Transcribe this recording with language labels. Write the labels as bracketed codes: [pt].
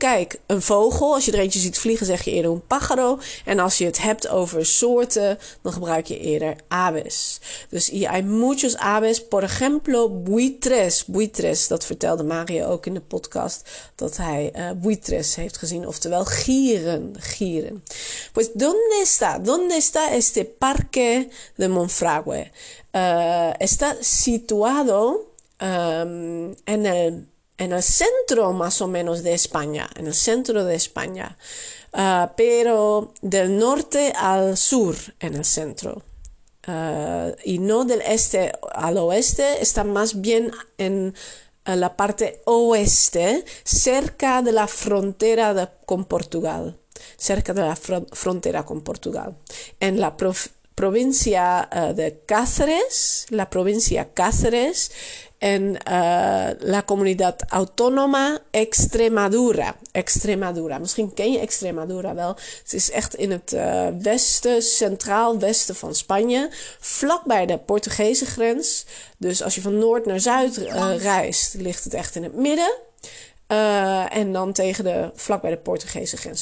[nl] Kijk, een vogel. Als je er eentje ziet vliegen, zeg je eerder [es] un pájaro. [nl] En als je het hebt over soorten, dan gebruik je eerder aves. [es] Dus y hay muchos aves. Por ejemplo, buitres. [nl] Buitres, dat vertelde Mario ook in de podcast. Dat hij buitres heeft gezien. Oftewel gieren. Gieren. [es] Pues, ¿dónde está este parque de Monfragüe? Está situado en el centro más o menos de España, en el centro de España, pero del norte al sur en el centro, y no del este al oeste, está más bien en la parte oeste, cerca de la frontera con Portugal, cerca de la frontera con Portugal, en la provincia de Cáceres, la provincia Cáceres. En la comunidad autónoma Extremadura. [nl] Extremadura. Misschien ken je Extremadura wel. Het is echt in het westen, centraal westen van Spanje. Vlakbij de Portugese grens. Dus als je van noord naar zuid reist, ligt het echt in het midden. En dan tegen de vlak bij de Portugese grens.